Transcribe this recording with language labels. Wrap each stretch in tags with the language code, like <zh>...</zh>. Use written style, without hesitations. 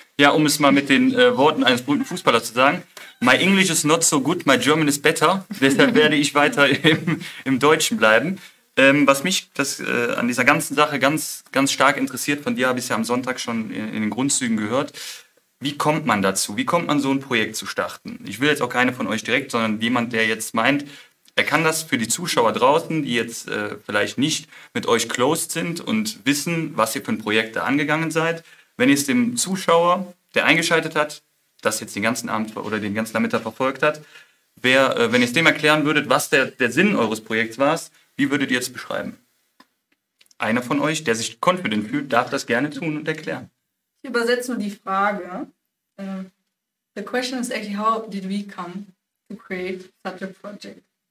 <de>Ja, um es mal mit den Worten eines berühmten Fußballers zu sagen.</de> <en>My English is not so good, my German is better.</en> <de>Deshalb werde ich weiter im Deutschen bleiben. Was mich an dieser ganzen Sache ganz, ganz stark interessiert, von dir habe ich es ja am Sonntag schon in den Grundzügen gehört. Wie kommt man dazu? Wie kommt man so ein Projekt zu starten? Ich will jetzt auch keine von euch direkt, sondern jemand, der jetzt meint, er kann das für die Zuschauer draußen, die jetzt vielleicht nicht mit euch closed sind und wissen, was ihr für ein Projekt da angegangen seid. Wenn ihr es dem Zuschauer, der eingeschaltet hat, das jetzt den ganzen Abend oder den ganzen Nachmittag verfolgt hat, wenn ihr es dem erklären würdet, was der Sinn eures Projekts war, wie würdet ihr es beschreiben? Einer von euch, der sich confident fühlt, darf das gerne tun und erklären. Ich übersetze nur die Frage.</de> <en>The question is actually, how did we come to create such a project?</en>